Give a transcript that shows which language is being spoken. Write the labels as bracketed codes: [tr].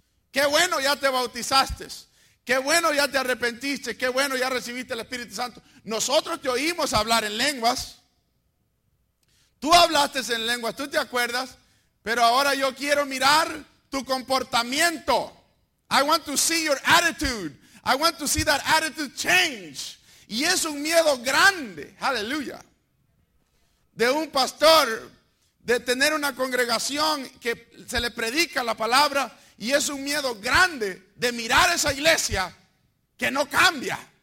[es] Qué bueno ya te bautizaste. Qué bueno ya te arrepentiste. Qué bueno ya recibiste el Espíritu Santo. Nosotros te oímos hablar en lenguas. Tú hablaste en lenguas, tú te acuerdas. Pero ahora yo quiero mirar tu comportamiento. [en] I want to see your attitude. I want to see that attitude change. [es] Y es un miedo grande. Aleluya. De un pastor, de tener una congregación que se le predica la palabra, y es un miedo grande de mirar esa iglesia que no cambia.